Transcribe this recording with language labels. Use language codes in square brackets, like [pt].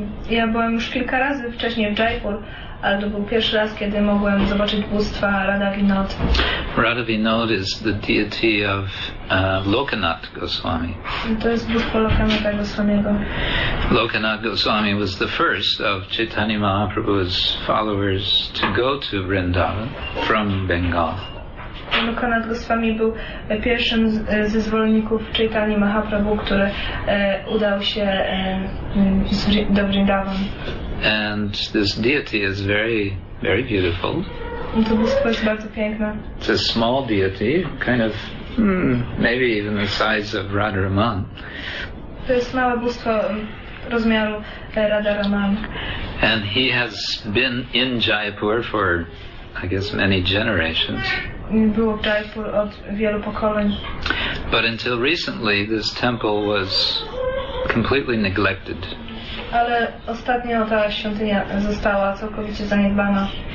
[pl] Ja byłem już kilka razy wcześniej w Jaipur, ale to był pierwszy raz, kiedy mogłem zobaczyć bóstwa Radha Vinod. [en] Radha Vinod is the deity of Lokanath Goswami. [pl] To jest bóstwo Lokanatha Goswamiego. [en] Lokanath Goswami was the first of Chaitanya Mahaprabhu's followers to go to Vrindavan from Bengal. [pl] Lokanath Goswami był pierwszym ze zwolenników Chaitanya Mahaprabhu, który udał się do Vrindavan. [en] And this deity is very, very beautiful. [pl] To bóstwo jest bardzo piękne. [en] It's a small deity, kind of, maybe even the size of Radharaman. [pl] To jest małe bóstwo rozmiaru Radharaman. [en] And he has been in Jaipur for, I guess, many generations. [pl] Był w Jaipur od wielu pokoleń. [en] But until recently, this temple was completely neglected. [pl] Ale ostatnio ta świątynia została całkowicie zaniedbana.